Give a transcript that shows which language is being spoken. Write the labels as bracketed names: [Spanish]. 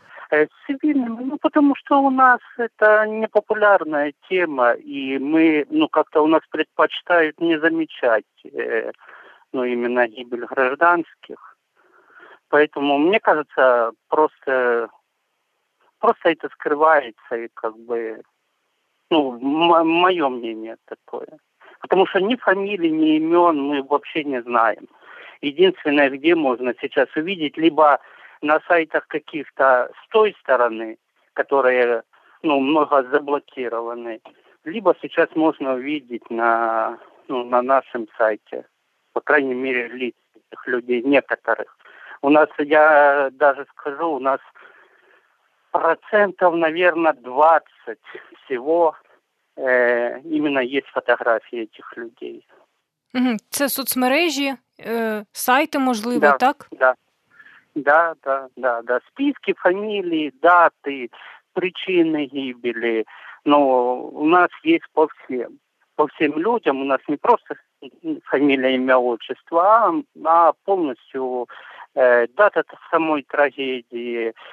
[Ukrainian] З цивільними, тому що у нас це не популярна тема, і ми, у нас предпочитають не замічати, іменно гибель гражданських. Поэтому, мені кажется, просто це скривається і моє мнение таке. [Russian] Потому что ни фамилий, ни имен мы вообще не знаем. Единственное, где можно сейчас увидеть, либо на сайтах каких-то с той стороны, которые много заблокированы, либо сейчас можно увидеть на нашем сайте, по крайней мере, лиц этих людей, некоторых. У нас, я даже скажу, у нас процентов, наверное, 20 всего. [Ukrainian] Іменно є фотографії цих людей. Це соцмережі, сайти, можливо, [Russian] да, [Ukrainian] так? [Russian] Да. [Ukrainian] Списки, фамілії, дати, причини гибелі. У нас є по всім людям, у нас не просто фамілія, ім'я, отчество, а повністю дата самої трагедії.